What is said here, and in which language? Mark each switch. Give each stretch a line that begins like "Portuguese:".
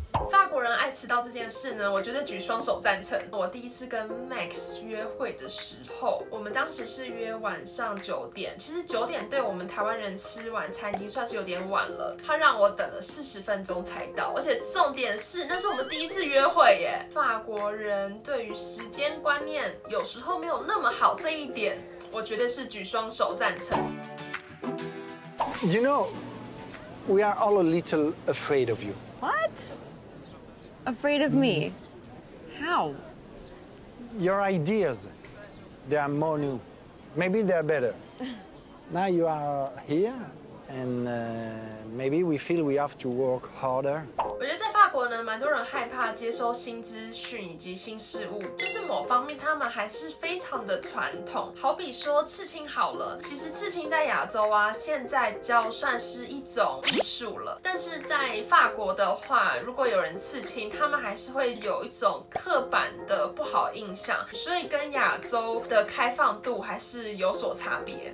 Chinese: 法国人爱迟到这件事呢，我觉得举双手赞成。我第一次跟 Max 约会的时候，我们当时是约晚上9点，其实9点对我们台湾人吃晚餐已经算是有点晚了。他让我等了40分钟才到，而且重点是那是我们第一次约会耶。法国人对于时间观念有时候没有那么好，这一点我觉得是举双手赞成。
English: You know, we are all a little afraid of you. What? Afraid of me? How? Your ideas, they are more new. Maybe they are better. Now you are here, and maybe we feel we have to work harder.
Chinese: 我觉得在法国人蛮多人害怕接收新资讯以及新事物，就是某方面他们还是非常的传统。好比说刺青好了，其实刺青在亚洲啊，现在比较算是一种艺术了。但是在法国的话，如果有人刺青，他们还是会有一种刻板的不好印象，所以跟亚洲的开放度还是有所差别。